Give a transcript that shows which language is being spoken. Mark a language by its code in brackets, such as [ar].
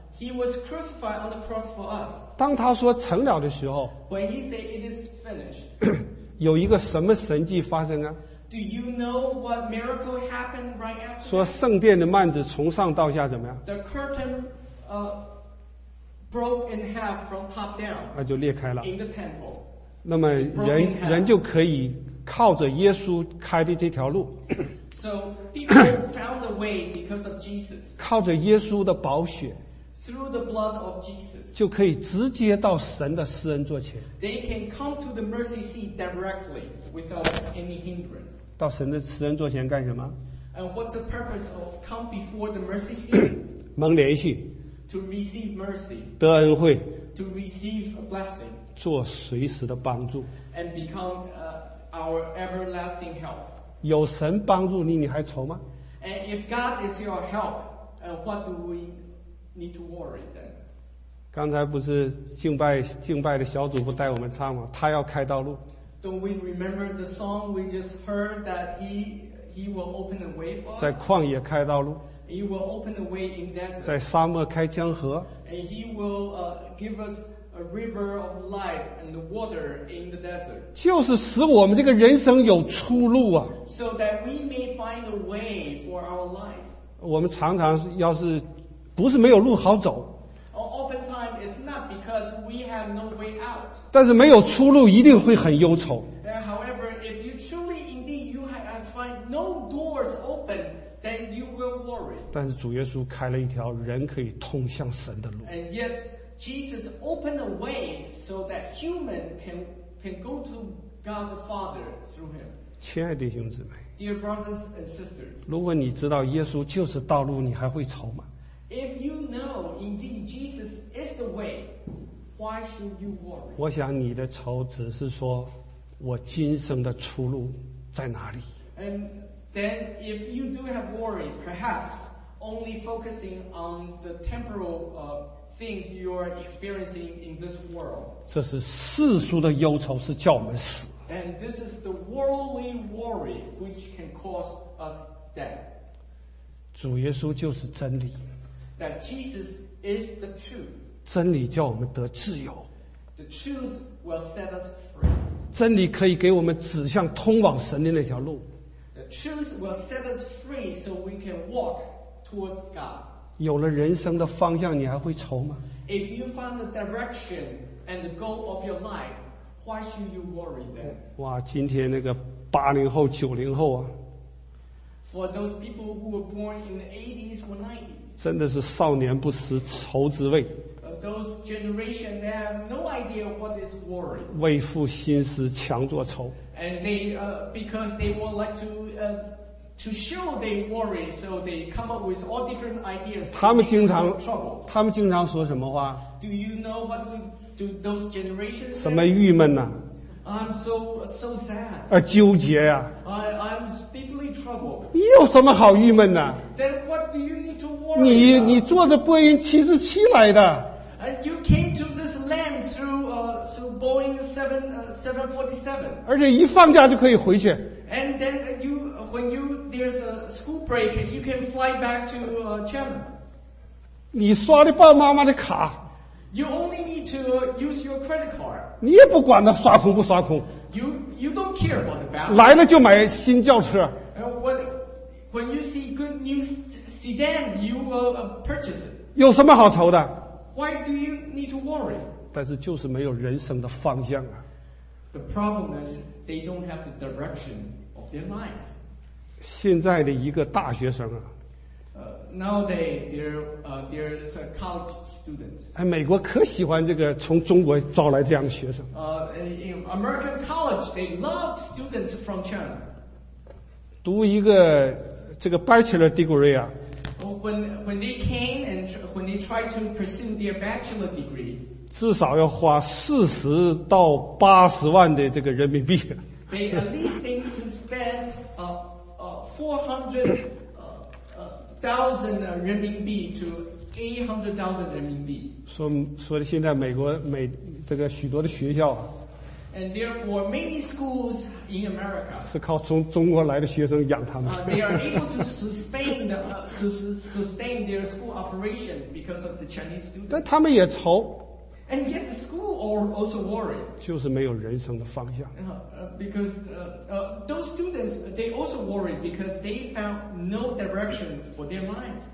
[en] He was crucified on the cross for us. [zh] 当他说成了的时候。 [en] When he said it is finished. [zh] 有一个什么神迹发生啊？ [en] Do you know what miracle happened right after? [zh] 说圣殿的幔子从上到下怎么样 [en] ？The curtain, broke in half from top down. [zh] 那就裂开了。 [en] In the temple. [zh] 那么人就可以靠着耶稣开的这条路。 [en] So people found a way because of Jesus. [zh] 靠着耶稣的宝血。 [en] Through the blood of Jesus. [zh] 就可以直接到神的施恩座前。 [en] They can come to the mercy seat directly without any hindrance. [zh] 到神的慈恩座前干什么 [en] And what's the purpose of come before the mercy seat? [zh] 蒙怜恤 [en] To receive mercy [zh] 得恩惠 [en] To receive a blessing [zh] 做随时的帮助 [en] And become our everlasting help [zh] 有神帮助你你还愁吗 [en] And if God is your help what do we need to worry then? [zh] 刚才不是敬拜的小组不带我们唱吗他要开道路 [en] Don't we remember the song we just heard that he will open a way for us? [zh] 在旷野开道路。 [en] He will open a way in desert. [zh] 在沙漠开江河。 [en] And he will give us a river of life and the water in the desert. [zh] 就是使我们这个人生有出路啊。 [en] So that we may find a way for our life. [zh] 我们常常要是不是没有路好走。 [en] Oftentimes it's not because we have no way out. [zh] 但是没有出路一定会很忧愁 [en] However, if you truly indeed you find no doors open then you will worry [zh] 但是主耶稣开了一条人可以通向神的路 [en] And yet Jesus opened a way so that human can go to God the Father through him [zh] 亲爱的弟兄姊妹 [en] Dear brothers and sisters [zh] 如果你知道耶稣就是道路你还会愁吗 [en] If you know indeed Jesus is the wayWhy should you worry? [zh] 我想你的愁只是说我今生的出路在哪里 [en] And then if you do have worry perhaps only focusing on the temporal things you are experiencing in this world [zh] 这是世俗的忧愁是叫我们死 [en] And this is the worldly worry which can cause us death [zh] 主耶稣就是真理 [en] That Jesus is the truth [zh] 真理叫我们得自由 [en] The truth will set us free. [zh] 真理可以给我们指向通往神的那条路 [en] The truth will set us free so we can walk towards God. [zh] 有了人生的方向你还会愁吗 [en] If you found the direction and the goal of your life, why should you worry then? [zh] 哇今天那个80后90后啊 [en] For those people who were born in the 80s or 90s, [zh] 真的是少年不识愁滋味 [en] Those generation they have no idea what is worry. [zh] 为赋新诗强作愁 [en] And they because they would like to show they worry, so they come up with all different ideas. [zh] 他们经常说什么话 [en] Do you know what do those generations say? [zh] 什么郁闷呐、 [en] 啊、I'm so sad. [zh] 纠结呀、 [en] 啊、I'm deeply troubled. [zh] 你有什么好郁闷呐、 [en] 啊、Then what do you need to worry? [zh] 你坐着波音747来的。 [en] You came to this land through Boeing 747. [zh] 而且一放假就可以回去。 [en] And then you, when you there's a school break, you can fly back to China. [zh] 你刷的爸妈妈的卡。 [en] You only need to use your credit card. [zh] 你也不管他刷空不刷空。 [en] You don't care about the balance. [zh] 来了就买新轿车。 [en] When you see good new sedan, you will purchase it. [zh] 有什么好愁的？ [en] Why do you need to worry? [zh] 但是就是没有人生的方向啊。 [en] The problem is they don't have the direction of their life. [zh] 现在的一个大学生啊。 [en] Nowadays, there's a college student. [zh] 哎，美国可喜欢这个从中国招来这样的学生。 [en] In American college, they love students from China. [zh] 读一个这个 bachelor degree 啊。 [en] When they came and when they tried to pursue their bachelor degree, [zh] 至少要花40-80万的这个人民币。 [en] They at least need to spend 400 8,000 RMB to 800,000 RMB. [zh] 所以现在美国美这个许多的学校啊。 [en] And therefore, many schools in America [zh] 是靠从中国来的学生养他们。 [en] They are able to sustain the sustain their school operation because of the Chinese students. [zh] 但他们也愁。 [en] And yet, the school also worried. [zh] 就是没有人生的方向。 [en] Because those students, they also worried because they found no direction for their lives.